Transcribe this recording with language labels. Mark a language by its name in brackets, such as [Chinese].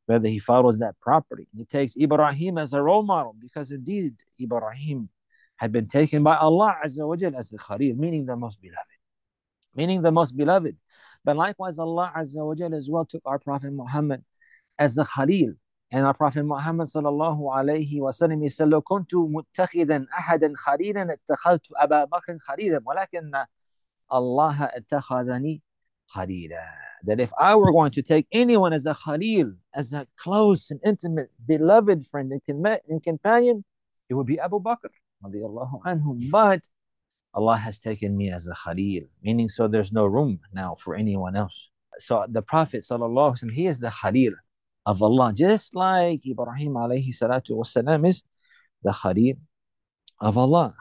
[English] Rather, he follows that properly. He takes Ibrahim as a role model because indeed Ibrahim had been taken by Allah Azza wa Jal as the Khalil, meaning the most beloved. Meaning the most beloved. But likewise, Allah Azza wa Jal as well took our Prophet Muhammad as the Khalil. And our Prophet Muhammad sallallahu alayhi wa sallam, he said, [Arabic] لَكُنْتُ مُتَّخِذًا أَحَدًا خَلِيلًا اتَّخَذْتُ أَبَا بَكْرٍ خَلِيلًا وَلَكِنَّ اللَّهَ اتَّخَذَنِي خَلِيلًا. [English] That if I were going to take anyone as a Khalil, as a close and intimate, beloved friend and companion, it would be Abu Bakr radiallahu anhu. But Allah has taken me as a Khalil, meaning so there's no room now for anyone else. So the Prophet sallallahu alaihi wasallam, he is the Khalil of Allah, just like Ibrahim alayhi salatu wasalam is the Khalil of Allah.